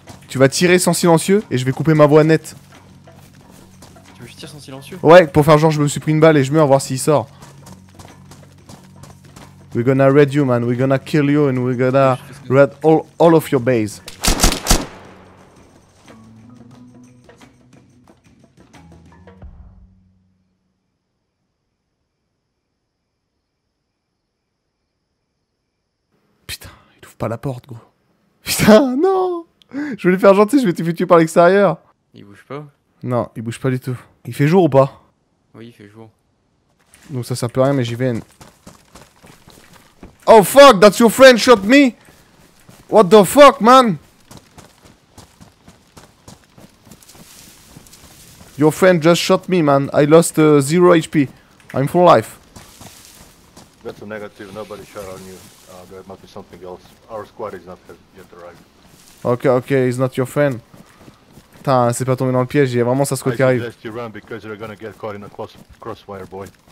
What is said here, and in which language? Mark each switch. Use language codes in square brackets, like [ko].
[fr] Tu vas tirer sans silencieux et je vais couper ma voix nette. Tu veux que je tire sans silencieux? Ouais, pour faire genre je me suis pris une balle et je meurs, voir s'il sort. [en] We're gonna raid you, man. We're gonna kill you and we're gonna raid all of your base. [fr] Putain, il ouvre pas la porte, gros. Putain, non! Je voulais faire gentil, je vais te faire tuer par l'extérieur. Il bouge pas? Non, il bouge pas du tout. Il fait jour ou pas? Oui, il fait jour. Donc ça sert plus à rien, mais j'y vais. [en] Oh fuck, that's your friend shot me! What the fuck, man? Your friend just shot me, man. I lost 0 HP. I'm full life. That's a negative. Nobody shot on you. There must be something else. Our squad is not yet arrived. Okay, he's not your friend. [fr] Putain, c'est pas tombé dans le piège. Il y a vraiment ça ce qui arrive. [en] I suggest you run because you're gonna get caught in a crossfire, boy.